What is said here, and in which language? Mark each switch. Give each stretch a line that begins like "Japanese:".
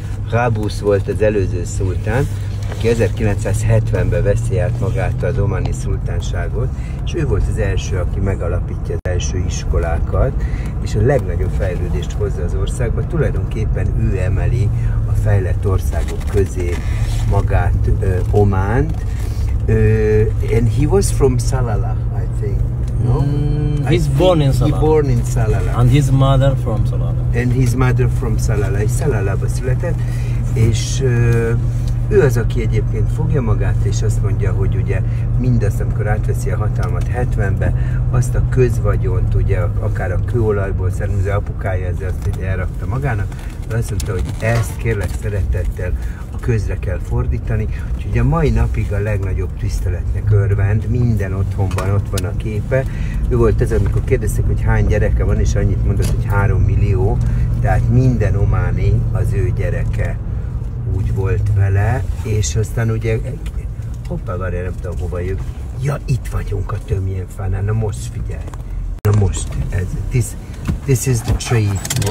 Hungarian: Rabus volt az előző szultán, aki 1970-ben veszi át magát az omani szultánságot, és ő volt az első, aki megalapítja az első iskolákat, és a legnagyobb fejlődést hozza az országba. Tulajdonképpen ő emeli a fejlett országok közé magát, Ománt.
English: And he was from Salalah, I think. No? He's born in Salalah. He born in Salalah. And his mother from Salalah. And his mother from Salalah.
Hungarian: És Salalahba született. És ő az, aki egyébként fogja magát, és azt mondja, hogy ugye mindazt, amikor átveszi a hatalmat 70-ben, azt a közvagyont, ugye akár a kőolajból származó apukája, ezért elrakta magának, de azt mondta, hogy ezt kérlek szeretettel a közre kell fordítani. Úgyhogy a mai napig a legnagyobb tiszteletnek örvend, minden otthonban ott van a képe. Ő volt ez, amikor kérdeztek, hogy hány gyereke van, és annyit mondott, hogy 3 millió, tehát minden ománi az ő gyereke. Úgy volt vele, és aztán ugye, hoppá, várjál, nem tudom, hova jövök. Ja, itt vagyunk a tömjénfánál, na most figyelj. Na most, ez,
English: this is the tree.